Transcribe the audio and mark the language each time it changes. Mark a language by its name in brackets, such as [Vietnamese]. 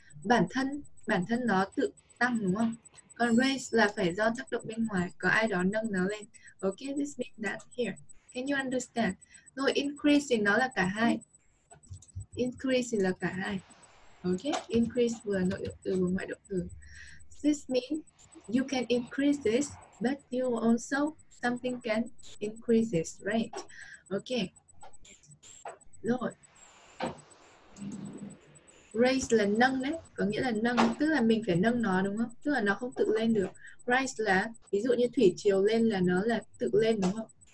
[Vietnamese] Bản thân nó tự tăng đúng không? Còn raise là phải do tác động bên ngoài, có ai đó nâng nó lên. [English] Okay, this means that here. Can you understand? [Vietnamese] Rồi, increase thì nó là cả hai. Increase thì là cả hai. Okay, increase vừa nội động từ vừa ngoại động từ. [English] This means you can increase this, but you also something can increase this, right? Okay. Rồi. [Vietnamese] Raise là nâng đấy, có nghĩa là nâng, tức là mình phải nâng nó đúng không? Tức là nó không tự lên được. Raise là ví dụ như thủy triều lên là nó là tự lên đúng không?